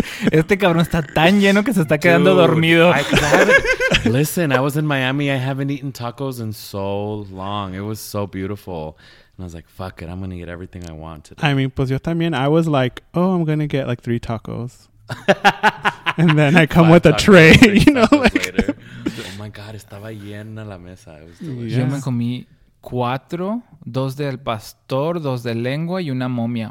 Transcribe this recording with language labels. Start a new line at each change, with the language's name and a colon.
Spanish: Este cabrón está tan lleno que se está quedando dormido.
English: Listen, I was in Miami. I haven't eaten tacos in so long. It was so beautiful. And I was like, fuck it. I'm going to get everything I want today. I mean,
Spanish: pues yo también.
English: I was like, oh, I'm going to get like 3 tacos. And then I come with a tray, you know, like. Oh my God,
Spanish: estaba llena la mesa.
English: It was delicious.
Spanish: Yo me comí 4, 2 del pastor, 2 de lengua y una momia.